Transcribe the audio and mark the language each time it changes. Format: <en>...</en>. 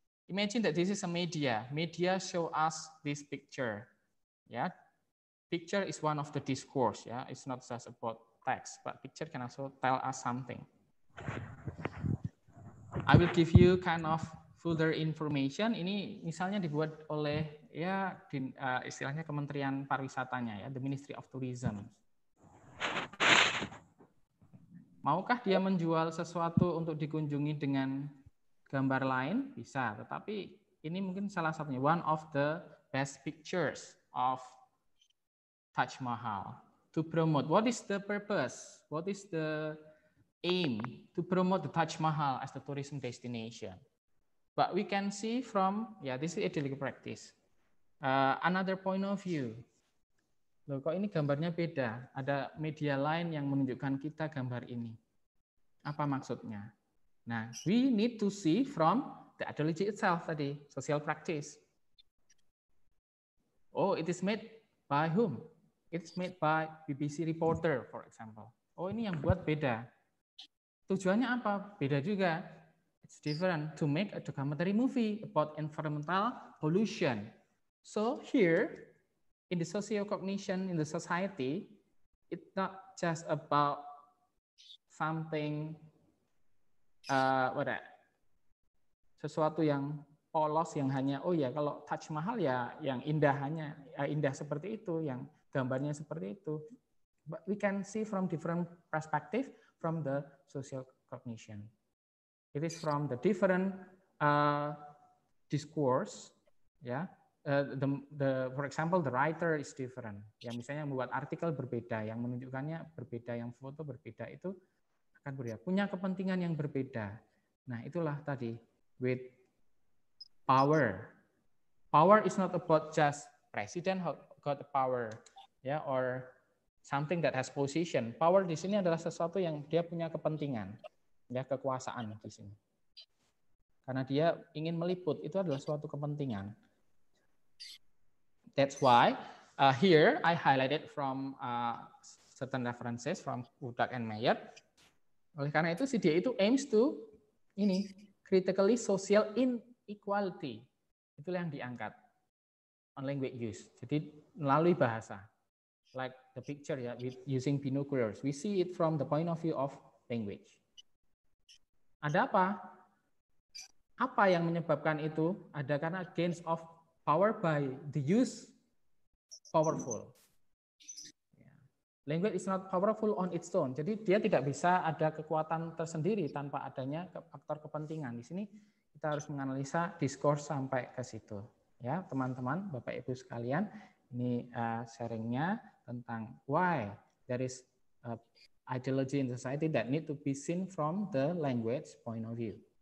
<en>Imagine that this is a media. Media show us this picture. Picture is one of the discourse. It's not just about text, but picture can also tell us something. I will give you kind of further information.</en> <id>Ini misalnya dibuat oleh istilahnya Kementerian Pariwisatanya</id> <en>the Ministry of Tourism.</en> <id>Maukah dia menjual sesuatu untuk dikunjungi dengan gambar lain? Bisa, tetapi ini mungkin salah satunya</id> <en>one of the best pictures of Taj Mahal to promote. What is the purpose? What is the aim to promote the Taj Mahal as the tourism destination? But we can see from, this is ideological practice. Another point of view.</en> <id>Loh, kok ini gambarnya beda? Ada media lain yang menunjukkan kita gambar ini. Apa maksudnya? Nah,</id> <en>we need to see from the ideology itself</en> <id>tadi,</id> <en>social practice. Oh, it is made by whom? It's made by BBC reporter, for example.</en> <id>Oh, ini yang buat beda. Tujuannya apa? Beda juga.</id> <en>It's different to make a documentary movie about environmental pollution. So here, in the sociocognition in the society, it's not just about something, what that?</en> <id>Sesuatu yang polos yang hanya, oh ya kalau Taj Mahal ya yang indah hanya, indah seperti itu, yang gambarnya seperti itu.</id> <en>But we can see from different perspective from the sociocognition. It is from the different discourse, ya. The for example the writer is different.</en> <id>Yang misalnya membuat artikel berbeda, yang menunjukkannya berbeda, yang foto berbeda itu akan berbeda. Punya kepentingan yang berbeda. Nah itulah tadi</id> <en>with power. Power is not about just president got the power, ya, yeah, or something that has position.</en> <id>Power di sini adalah sesuatu yang dia punya kepentingan, ya, kekuasaan di sini. Karena dia ingin meliput, itu adalah suatu kepentingan.</id> <en>That's why here I highlighted from certain references from Kudak and Meyer.</en> <id>Oleh karena itu, si dia itu</id> <en>aims to</en> <id>ini</id> <en>critically social inequality.</en> <id>Itulah yang diangkat</id> <en>on language use.</en> <id>Jadi melalui bahasa.</id> <en>Like the picture ya, with using binoculars. We see it from the point of view of language.</en> <id>Ada apa? Apa yang menyebabkan itu? Ada karena</id> <en>gains of power by the use powerful. Language is not powerful on its own.</en> <id>Jadi dia tidak bisa ada kekuatan tersendiri tanpa adanya faktor kepentingan. Di sini kita harus menganalisa diskurs sampai ke situ. Ya, teman-teman, Bapak-Ibu sekalian, ini sharingnya tentang</id> <en>why there is ideology in society that need to be seen from the language point of view.</en>